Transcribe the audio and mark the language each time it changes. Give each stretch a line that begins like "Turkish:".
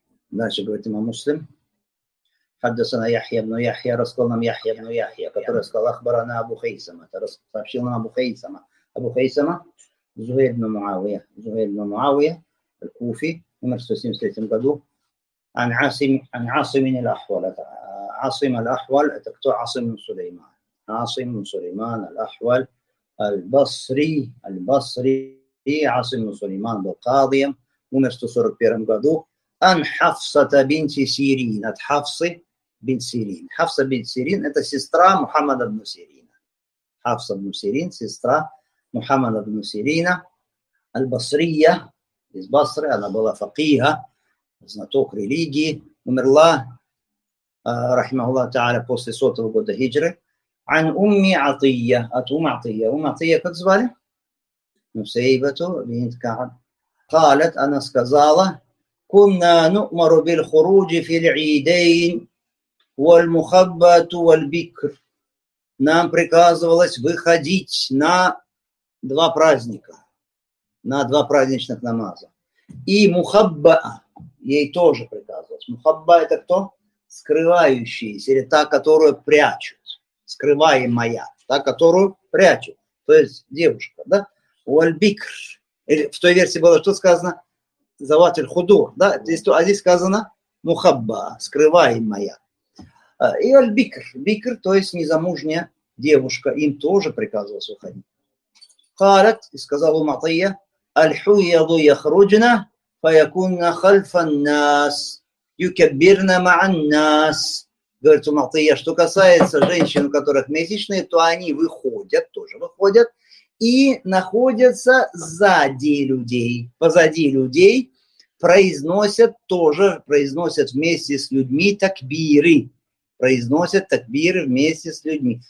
Russian: Дальше говорит имам Муслим. Хаддасана Яхья ибн Яхья, рассказал нам Яхья ибн Яхья, который сказал Ахбарана Абу Хейсама. Это сообщил нам Абу Хейсама. Абу Хейсама, Зухейр ибн Муавия. Зухейр ибн Муавия, Куфи, умер в 173 году. Ан Асим аль-Ахваль. Асим аль-Ахваль, это кто? Асим ибн Сулейман.
Arabic: عاصم سليمان الأحول البصري، البصري عاصم سليمان القاضي 1941
Russian: году.
Arabic: أن حفصة بنت سيرين، أن حفصة بنت سيرين، حفصة بنت سيرين
Russian: это сестра
Arabic: محمد بن سيرين، حفصة بن سيرين
Russian: сестра
Arabic: محمد بن سيرين البصرية
Russian: из Басры, она была факиха, знаток религии, умерла, рахмаллах та'аля, после 100 года хиджры.
Arabic: عن أم عطية،
Russian: от
Arabic: أم عطية.
Russian: أم عطية как звали? Нусейбату бинт Каъб.
Arabic: قالت,
Russian: она сказала,
Arabic: كنا نؤمر بالخروج في العيدين والمخبت والبكر.
Russian: Нам приказывалось выходить на два праздника, на два праздничных намаза. И мухабба, ей тоже приказывалось. Мухабба – это кто? Скрывающаяся, или та, которую прячут. Скрываемая, та, которую прячут. То есть девушка, да? Уальбикр. В той версии было что сказано? Заватель худур, да? Здесь, а здесь сказано мухабба, скрываемая. И альбикр. Бикр, то есть незамужняя девушка. Им тоже приказывалось выходить. Харат, и сказал Матия,
Arabic: الحُيَضُ يَخْرُجْنَا فَيَكُنَّ خَلْفَ النَّاسِ يُكَبِّرْنَا مَعَ النَّاسِ.
Russian: Говорит Умартия, что касается женщин, у которых месячные, то они выходят, тоже выходят, и находятся сзади людей, позади людей, произносят тоже, произносят вместе с людьми такбиры, произносят такбиры вместе с людьми.